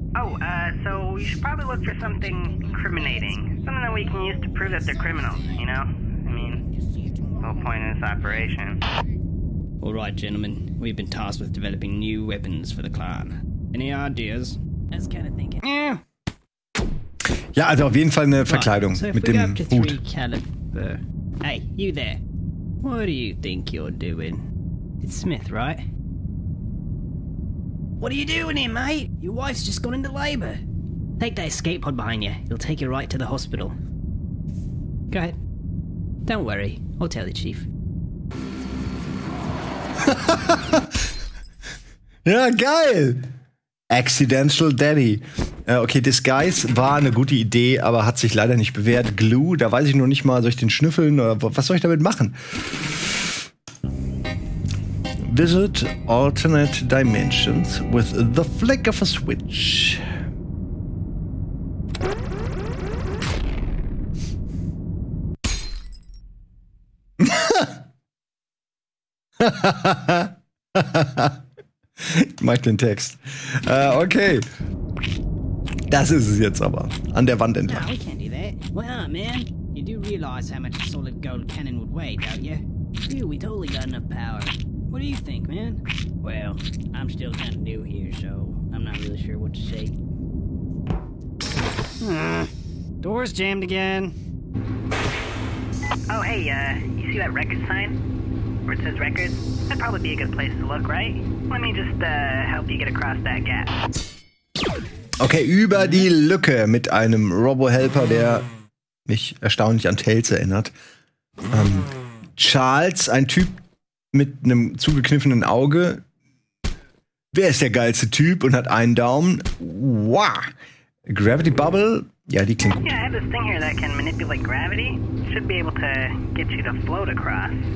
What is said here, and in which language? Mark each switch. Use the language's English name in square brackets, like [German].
[English] Oh, so you should probably look for something incriminating. Something that we can use to prove that they're criminals, you know? I mean, the whole point of this operation. All right, gentlemen. We've been tasked with developing new weapons for the clan. Any ideas? That's kind of thinking. Yeah. [German] Ja, also auf jeden Fall eine Verkleidung right, so mit dem Hut. [English] Caliber. Hey, you there. What do you think you're doing? It's Smith, right? What are you doing here, mate? Your wife's just gone into labor. Take that escape pod behind you. It'll take you right to the hospital. Go ahead. Don't worry. I'll tell the chief. [German] Ja, geil! Accidental Daddy. Okay, Disguise war eine gute Idee, aber hat sich leider nicht bewährt. Glue, da weiß ich noch nicht mal, soll ich den schnüffeln oder was soll ich damit machen? [English] Visit alternate dimensions with the flick of a switch. [German] Ich mag den Text. Okay. Das ist es jetzt aber. An der Wand entlang. [English] No, we can't do that. Well, man. You do realize how much a solid gold cannon would weigh, don't you? Phew, we totally got enough power. What do you think, man? Well, I'm still kind of new here, so I'm not really sure what to say. Door's jammed again. Oh, hey, you see that record sign? Where it says record? That'd probably be a good place to look, right? Let me just, help you get across that gap. [German] Okay, über die Lücke mit einem Robo-Helper, der mich erstaunlich an Tails erinnert. Charles, ein Typ mit einem zugekniffenen Auge. Wer ist der geilste Typ und hat einen Daumen? Wow! Gravity Bubble? Ja, die klingt gut. [English] Yeah, I have this thing here that can manipulate gravity. Should be able to get you to float across.